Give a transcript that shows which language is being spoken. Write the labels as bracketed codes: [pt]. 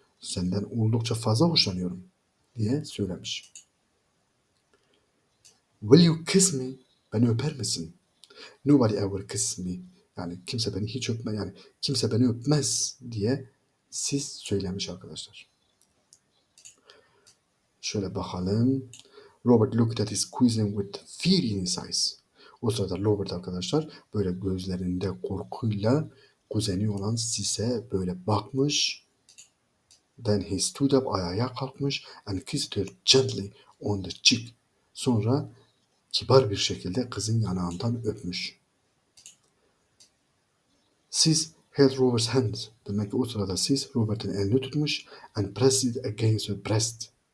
[tr] Senden oldukça fazla hoşlanıyorum diye söylemiş. [en] Will you kiss me? [tr] Beni öper misin? [en] Nobody ever kisses me. [tr] Yani kimse beni hiç öpme, yani kimse beni öpmez diye siz söylemiş arkadaşlar. Şöyle bakalım. [en] Robert looked at his cousin with fear in his eyes. [tr] O sırada Robert arkadaşlar böyle gözlerinde korkuyla kuzeni olan Sis'e böyle bakmış. [en] Then he stood up, [tr] ayağa kalkmış [en] and kissed her gently on the cheek. [tr] Sonra kibar bir şekilde kızın yanağından öpmüş. [en] Sis held Robert's hand. [tr] Demek ki o sırada Sis Robert'in elini tutmuş [en] and pressed it against her breast.